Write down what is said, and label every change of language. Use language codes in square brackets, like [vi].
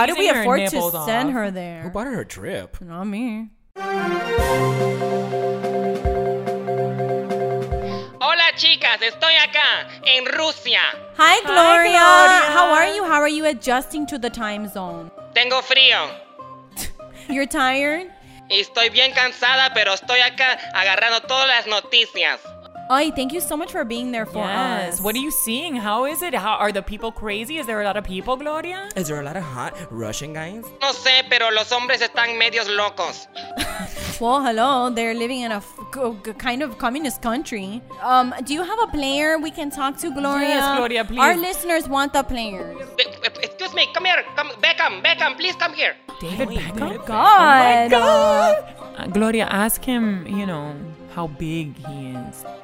[en] How did we afford to send her there? Who bought her a trip? Not me. [es] Hola, chicas. Estoy acá en Rusia. [en] Hi, Gloria. Hi, Gloria. How are you? How are you adjusting to the time zone? [es] Tengo frío. [en] You're tired? [es] Estoy bien cansada, pero estoy acá agarrando todas las noticias. [en] Ay, thank you so much for being there for yes us. What are you seeing? How is it? How are the people crazy? Is there a lot of people, Gloria? Is there a lot of hot Russian guys? [es] No sé, pero los hombres están medios locos. [en] Well, hello. They're living in a kind of communist country. Do you have a player we can talk to, Gloria? Yes, Gloria, please. Our listeners want the player. Excuse me. Come here. Come, Beckham, please come here. David Beckham? God. Oh, my God. Gloria, ask him, you know, how big he is.